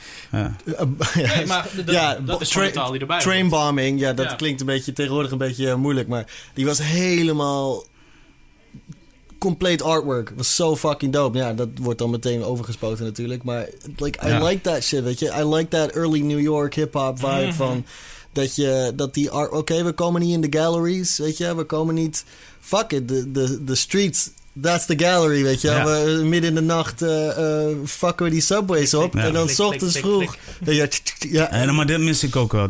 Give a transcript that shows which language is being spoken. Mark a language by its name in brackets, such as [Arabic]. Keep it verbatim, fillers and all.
[Dutch] Ja. Nee, maar de, de, ja, dat is tra- taal die erbij trainbombing, ja, dat ja. klinkt een beetje tegenwoordig een beetje uh, moeilijk, maar die was helemaal complete artwork. Was zo fucking dope. Ja, dat wordt dan meteen overgespoten natuurlijk, maar [English] like I [Dutch] ja. [English] like that shit, [Dutch] weet je. [English] I like that early New York hip-hop vibe mm-hmm. [Dutch] van dat je dat die art. Oké, okay, we komen niet in de galleries, weet je. We komen niet. Fuck it, de de de streets. [English] That's the gallery, [Dutch] weet je. Ja. We, midden in de nacht uh, uh, fucken we die subways klik, op. Klik, en dan klik, ochtends klik, vroeg. Klik. Ja, tch, tch, ja. En, maar dit mis ik ook wel.